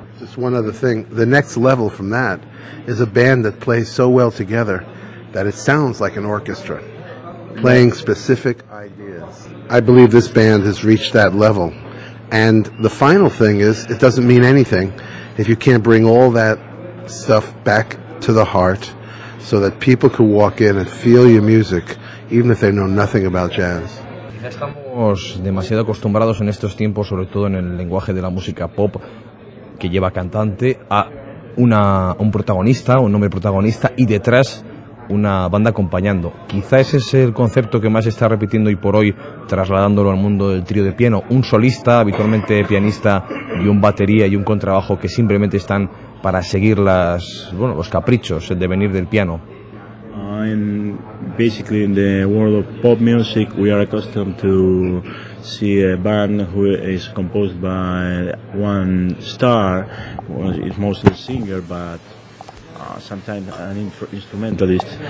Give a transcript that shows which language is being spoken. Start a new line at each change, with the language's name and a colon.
English: Just one other thing, the next level from that is a band that plays so well together that it sounds like an orchestra, playing specific ideas. I believe this band has reached that level. And the final thing is, it doesn't mean anything if you can't bring all that stuff back to the heart so that people can walk in and feel your music, even if they know nothing about jazz.
Spanish: Estamos demasiado acostumbrados en estos tiempos, sobre todo en el lenguaje de la música pop, que lleva cantante, a un protagonista, un nombre protagonista, y detrás una banda acompañando. Quizá ese es el concepto que más se está repitiendo hoy por hoy, trasladándolo al mundo del trío de piano. Un solista, habitualmente pianista, y un batería y un contrabajo que simplemente están para seguir los caprichos, el devenir del piano.
English: And basically in the world of pop music, we are accustomed to see a band who is composed by one star, who is mostly a singer, but sometimes an instrumentalist.